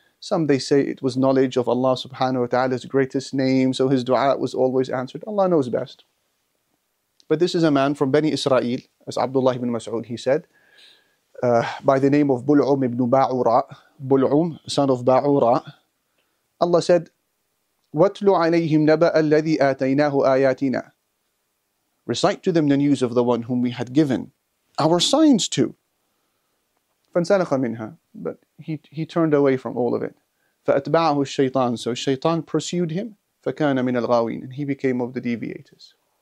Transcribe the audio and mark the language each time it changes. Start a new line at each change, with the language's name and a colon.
English: Some, they say it was knowledge of Allah subhanahu wa ta'ala's greatest name, so his dua was always answered. Allah knows best. But this is a man from Bani Israel, as Abdullah ibn Mas'ud, he said, by the name of Bul'um ibn Ba'ura, Bul'um, son of Ba'ura. Allah said,
Arabic: وَاتْلُ عَلَيْهِمْ نَبَأَ الَّذِي آتَيْنَاهُ آيَاتِنَا.
English: Recite to them the news of the one whom we had given our signs to.
Arabic: فَانْسَلَخَ مِنْهَا.
English: But he turned away from all of it.
Arabic: فَأَتْبَعَهُ الشَّيْطَانُ.
English: So shaitan pursued him.
Arabic: فَكَانَ مِنَ الْغَاوِينَ.
English: And he became of the deviators.